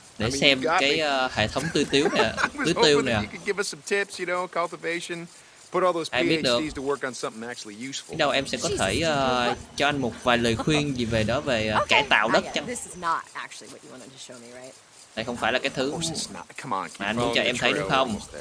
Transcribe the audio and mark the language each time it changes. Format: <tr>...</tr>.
<vi>Để xem cái hệ thống tưới tiêu nè. Tưới tiêu nè.</vi> <en>You could give us some tips, you know, cultivation. Put all those PhDs to work on something actually useful.</en> <vi>Đâu em sẽ có thể cho anh một vài lời khuyên gì về đó về cải tạo đất chứ.</vi> <en>This is not actually what you wanted to show me, right?</en> <vi>Đây không phải là cái thứ mà anh muốn cho em thấy đúng không?</vi>